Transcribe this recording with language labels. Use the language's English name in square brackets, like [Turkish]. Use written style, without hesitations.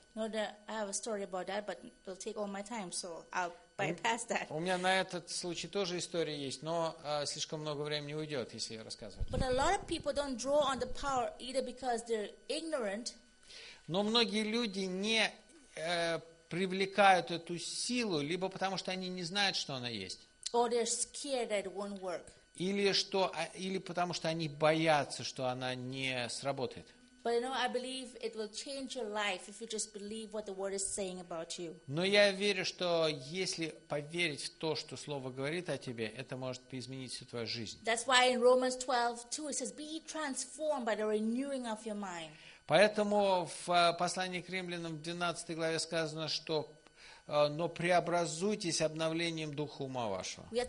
[English] No, I have a story about that, but it'll take all my time, so I'll bypass that. [Russian] У меня на этот случай тоже история есть, но слишком много времени уйдет, если я рассказываю. [English] But a lot of people don't draw on the power either because they're ignorant. [Russian] Но многие люди не привлекают эту силу, либо потому, что они не знают, что она есть. [English] Or they're scared that it won't work. [Russian] Или потому, что они боятся, что она не сработает. [English] But you know, I believe it will change your life if you just believe what the word is saying about you. [Russian] Но я верю, что если поверить в то, что слово говорит о тебе, это может изменить всю твою жизнь. [English] That's why in Romans 12:2 it says, "Be transformed by the renewing of your mind." [Russian] Поэтому в послании к Римлянам в 12 главе сказано, что «но преобразуйтесь обновлением духа ума вашего».